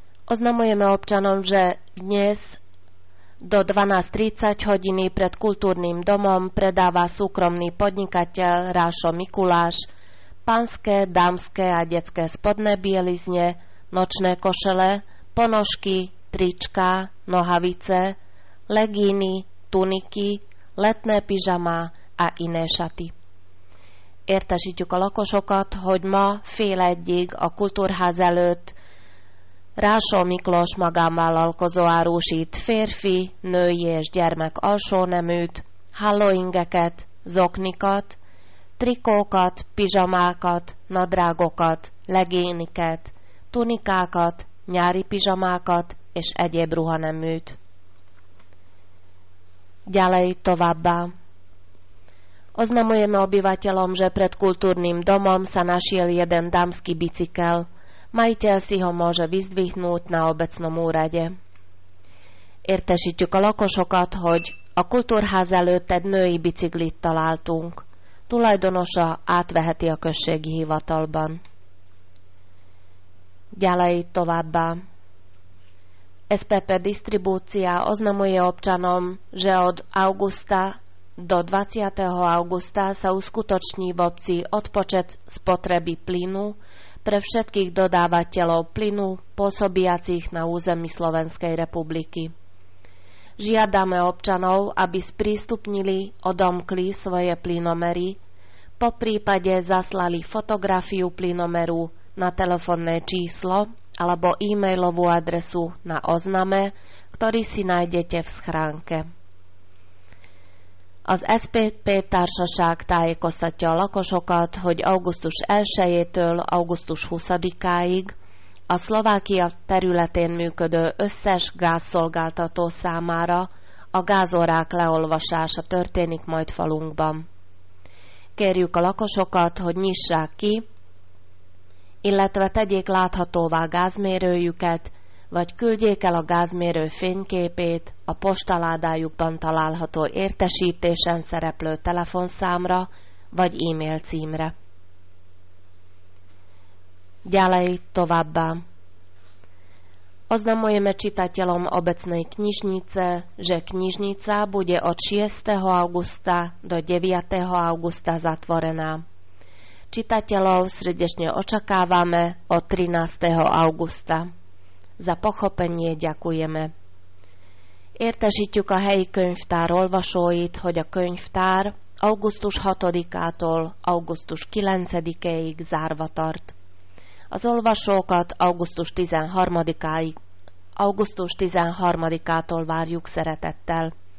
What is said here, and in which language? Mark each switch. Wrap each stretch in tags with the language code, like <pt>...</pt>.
<sk>Oznamujeme občanom, že dnes do 12.30 hodiny pred kultúrnym domom predáva súkromný podnikateľ Rašo Mikuláš panské, dámske a detské spodné bielizne, nočné košele, ponožky, trička, nohavice, legíny, tuniky, letné pyžama a iné šaty.</sk> <hu>Értesítjük a lakosokat, hogy ma fél egyig a kultúrház előtt Rásó Miklós magánvállalkozó árusít férfi, női és gyermek alsóneműt, halloingeket, zoknikat, trikókat, pizsamákat, nadrágokat, legéniket, tunikákat, nyári pizsamákat és egyéb ruhaneműt.</hu> <sk>Ďalej</sk> <hu>továbbá.</hu> <sk>Oznamujeme obyvateľom, že pred kultúrnym domom sa našiel jeden dámsky bicykel. Majiteľ si ho môže vyzdvihnúť na obecnom úrade.</sk> <hu>Értesítjük a lakosokat, hogy a kultúrház előtt egy női biciklit találtunk. Tulajdonosa átveheti a községi hivatalban.</hu> <sk>Ďalej</sk> <hu>továbbá.</hu> <sk>SPP Distribúcia oznamuje občanom, že od augusta do 20. augusta sa uskutoční v obci odpočet spotreby plynu pre všetkých dodávateľov plynu pôsobiacich na území Slovenskej republiky. Žiadame občanov, aby sprístupnili, odomkli svoje plynomery, po prípade zaslali fotografiu plynomeru na telefónne číslo alebo e-mailovú adresu na ozname, ktorý si nájdete v schránke.</sk> <hu>Az SPP társaság tájékoztatja a lakosokat, hogy augusztus 1-től augusztus 20-áig a Szlovákia területén működő összes gázszolgáltató számára a gázórák leolvasása történik majd falunkban. Kérjük a lakosokat, hogy nyissák ki, illetve tegyék láthatóvá gázmérőjüket, vagy küldjék el a gázmérő fényképét a postaládájukban található értesítésen szereplő telefonszámra vagy e-mail címre.</hu> <sk>Ďalej</sk> <hu>továbbá.</hu> <sk>Oznamujeme čitateľom obecnej knižnice, že knižnica bude od 6. augusta do 9. augusta zatvorená. Čitateľov srdečne očakávame od 13. augusta. Za pochopenie ďakujeme.</sk> <hu>Értesítjük a helyi könyvtár olvasóit, hogy a könyvtár augusztus 6-ától augusztus 9-ig zárva tart. Az olvasókat augusztus 13-ától várjuk szeretettel.</hu>